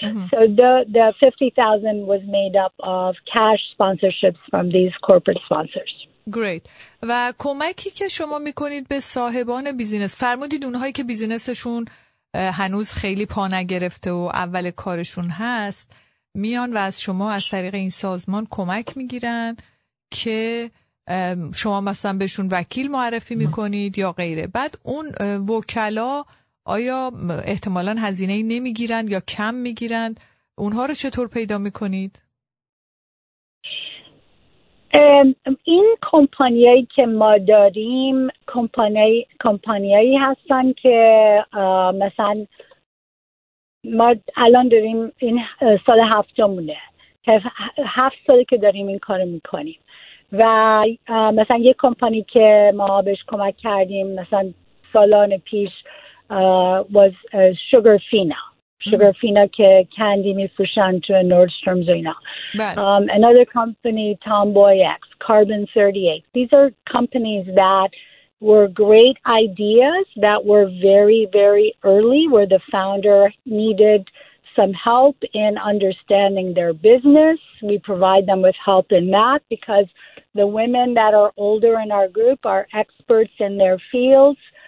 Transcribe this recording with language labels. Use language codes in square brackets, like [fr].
[en] So the $50,000 was made up of cash sponsorships from these corporate sponsors. Great. [fa] و کمکی که شما میکنید به صاحبان بیزینس، فرمودید اونهایی که بیزینسشون هنوز خیلی پا نگرفته و اول کارشون هست، میان و از شما از طریق این سازمان کمک میگیرن که شما مثلا بهشون وکیل معرفی میکنید یا غیره. بعد اون وکلا آیا احتمالا هزینه ای نمیگیرن یا کم میگیرن؟ اونها رو چطور پیدا میکنید؟ این کمپانیایی که ما داریم کمپانیایی هستن که مثلا ما الان داریم این سال هفتمونه، هفت سالی که داریم این کارو میکنیم. و مثلا یک کمپانی که ما بهش کمک کردیم مثلا سالان پیش [en] was Sugarfina. [fa] Sugarfina که کندی میفروشن تو نوردسترمز و اینا. [en] Another company, Tomboy X, Carbon 38. These are companies that were great ideas that were very, very early, where the founder needed some help in understanding their business. We provide them with help in that because the women that are older in our group are experts in their fields.